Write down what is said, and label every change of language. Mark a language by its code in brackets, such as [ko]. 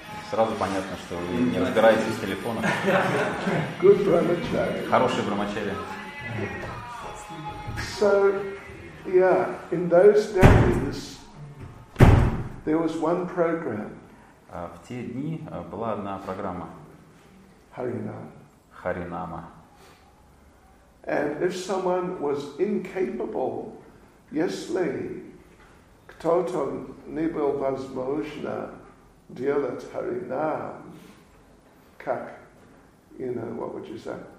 [ru] Сразу понятно, что вы не разбираетесь в телефонах. [en] Good brahmachari. [ru] Хороший брамачари. [en] So, yeah, in those days there was one program. [ru] В те дни была одна программа. Харинама. Харинама. [en] And if someone was incapable, [ru] если кто-то не был возможен делать харинам, как, [en] you know, what would you say?